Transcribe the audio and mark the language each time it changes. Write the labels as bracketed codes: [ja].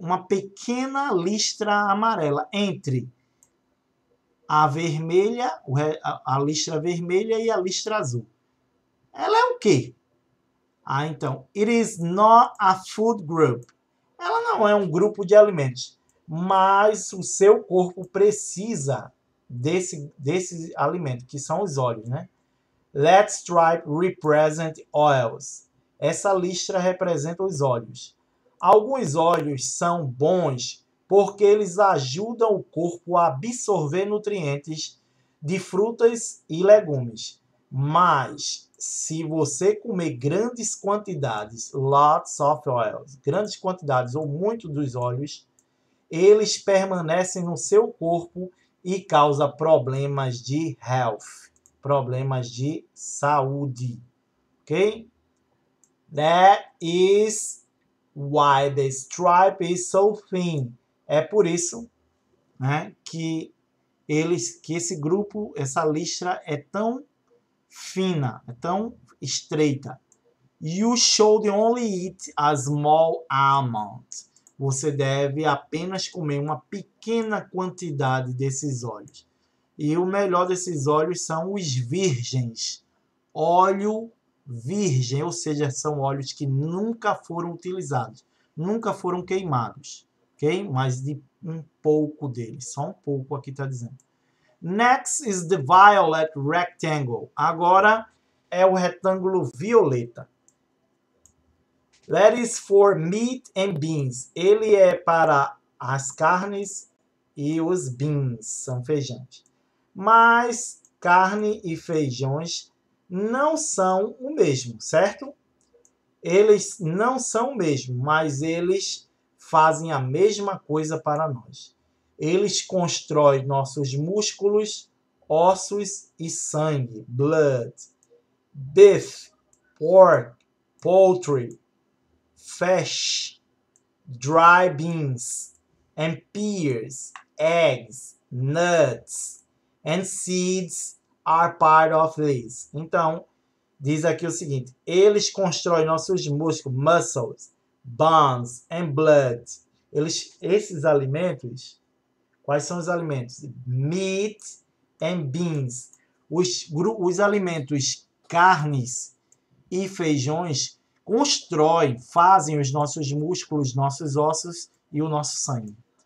[pt] Uma pequena listra amarela entre a vermelha, a listra vermelha e a listra azul. Ela é o quê? Ah, então, [en] it is not a food group. [pt] Ela não é um grupo de alimentos, mas o seu corpo precisa desse alimento, que são os óleos, né? [en] That stripe represent oils. [pt] Essa listra representa os óleos. Alguns óleos são bons porque eles ajudam o corpo a absorver nutrientes de frutas e legumes. Mas se você comer grandes quantidades, [en] lots of oils, [pt] grandes quantidades ou muito dos óleos, eles permanecem no seu corpo e causa problemas de health, problemas de saúde. Ok? [en] That is why the stripe is so thin. [pt] É por isso, né, que esse grupo, essa listra é tão fina, é tão estreita. [en] You should only eat a small amount. [pt] Você deve apenas comer uma pequena quantidade desses óleos. E o melhor desses óleos são os virgens. Óleo virgem, ou seja, são óleos que nunca foram utilizados, nunca foram queimados, ok? Mas de um pouco deles, só um pouco aqui está dizendo. [en] Next is the violet rectangle. [pt] Agora é o retângulo violeta. [en] That is for meat and beans. [pt] Ele é para as carnes e os beans, são feijões. Mas carne e feijões não são o mesmo, certo? Eles não são o mesmo, mas eles fazem a mesma coisa para nós. Eles constroem nossos músculos, ossos e sangue. [en] Blood. Beef, pork, poultry, fish, dry beans, and peas, eggs, nuts, and seeds are part of this. [pt] Então, diz aqui o seguinte: eles constroem nossos músculos, [en] muscles, bones and blood. [pt] Esses alimentos, quais são os alimentos? [en] Meat and beans. [pt] Os alimentos, carnes e feijões, constroem, fazem os nossos músculos, nossos ossos e o nosso sangue.